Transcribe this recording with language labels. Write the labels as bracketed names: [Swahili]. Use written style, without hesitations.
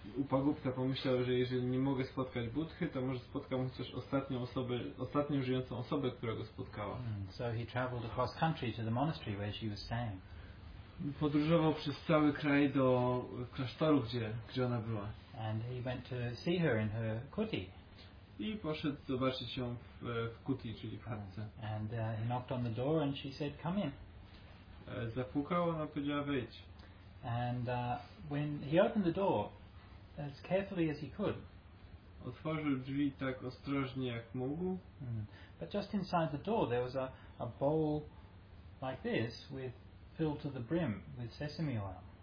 [Polish] Bhagupta pomyślał, że jeżeli nie mogę spotkać Buddhy, to może spotkam chociaż ostatnią osobę, ostatnią żyjącą osobę, która go spotkała. [English] So he traveled across country to the monastery where she was staying. [Polish] Podróżował przez cały kraj do klasztoru, gdzie ona była. [English] And he went to see her in her kuti. [Polish] I poszedł zobaczyć ją w kuti, czyli w chatce. [English] And he knocked on the door and she said, come in. [Polish] Zapukał, ona powiedziała, wejdź. [English] And when he opened the door, as carefully as he could. [Polish] Otworzył drzwi tak ostrożnie, jak mógł. [English] But just inside the door there was a bowl like this with filled to the brim with sesame oil.